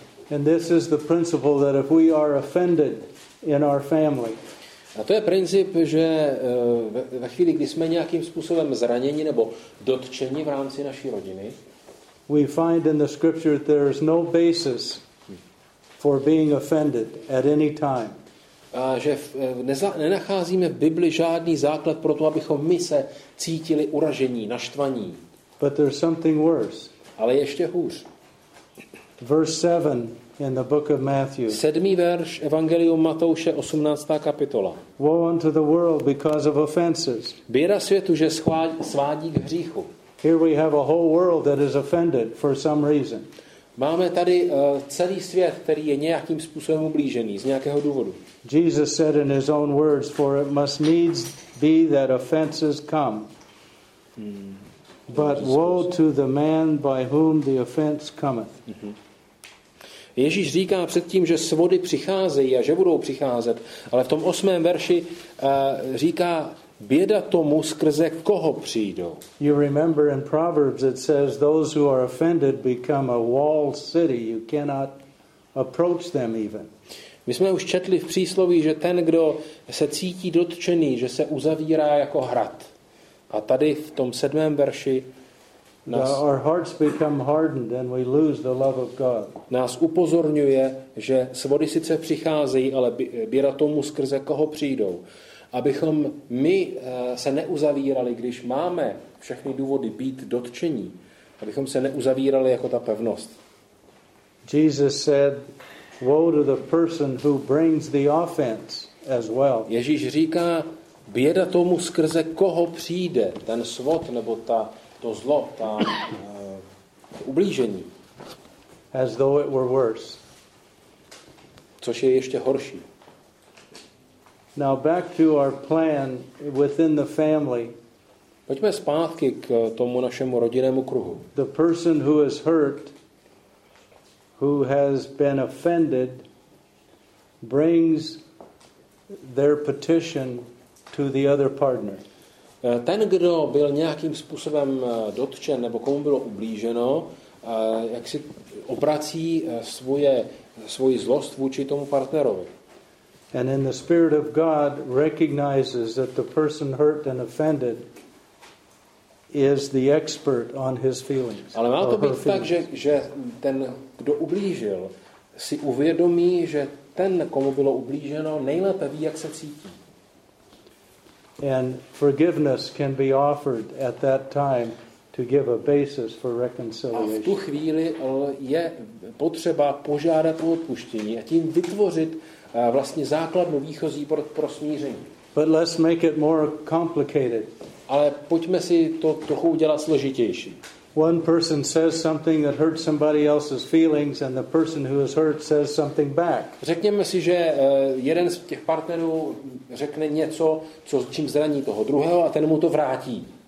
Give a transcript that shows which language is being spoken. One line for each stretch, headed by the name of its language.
English: And this is the principle that if we are offended in our family.
Czech: A to je princip, že ve chvíli, kdy jsme nějakým způsobem zraněni nebo dotčeni v rámci naší rodiny,
English: we find in the scripture that there is no basis for being offended at any time.
Czech: A že nenacházíme v Bibli žádný základ pro to, abychom my se cítili uražení, naštvaní.
English: But there's something worse.
Czech: Ale ještě hůř.
English: Verse 7 in the book of Matthew.
Czech: Sedmý verš Evangelium Matouše, 18. kapitola.
English: Woe unto the world because of offenses.
Czech: Běda světu, že svádí k hříchu.
English: Here we have a whole world that is offended for some reason.
Czech: Máme tady celý svět, který je nějakým způsobem ublížený z nějakého důvodu.
English: Jesus said in his own words, for it must needs be that offenses come. But woe to the man by whom the offense cometh.
Czech: Ježíš říká předtím, že svody přicházejí a že budou přicházet, ale v tom 8. verši říká běda tomu, skrze koho přijdou.
English: You remember in Proverbs it says those who are offended become a walled city, you cannot approach them even.
Czech: My jsme už četli v přísloví, že ten, kdo se cítí dotčený, že se uzavírá jako hrad. A tady v tom 7. verši
English: our hearts become hardened and we lose the love of God.
Czech: Nás upozorňuje, že svody sice přicházejí, ale běda tomu, skrze koho přijdou. Abychom my se neuzavírali, když máme všechny důvody být dotčení, abychom se neuzavírali jako ta pevnost.
English: Jesus said, woe to the person who brings the offense as well.
Czech: Ježíš říká, běda tomu, skrze koho přijde ten svod nebo to zlo, ta ublížení.
English: As though it were worse.
Czech: Což je ještě horší.
English: Now back to our plan within the family.
Czech: Pojďme zpátky k tomu našemu rodinnému kruhu.
English: The person who is hurt, who has been offended, brings their petition to the other partner.
Czech: Ten, kdo byl nějakým způsobem dotčen nebo komu bylo ublíženo, jak si obrací svoji zlost vůči tomu partnerovi.
English: And in the spirit of God recognizes that the person hurt and offended is the expert on his feelings.
Czech: Ale má to být tak, že ten, kdo ublížil, si uvědomí, že ten, komu bylo ublíženo, nejlépe ví, jak se cítí.
English: And forgiveness can be offered at that time to give a basis for reconciliation.
Czech: A v tu chvíli je potřeba požádat o odpuštění a tím vytvořit vlastně základnu výchozí pro smíření.
English: But let's make it more complicated.
Czech: Ale pojďme si to trochu udělat složitější.
English: One person says something that hurts somebody else's feelings and the person who is hurt says something back.
Czech: Řekněme si, že jeden z těch partnerů řekne něco, co čím zraní toho druhého a ten mu to vrátí.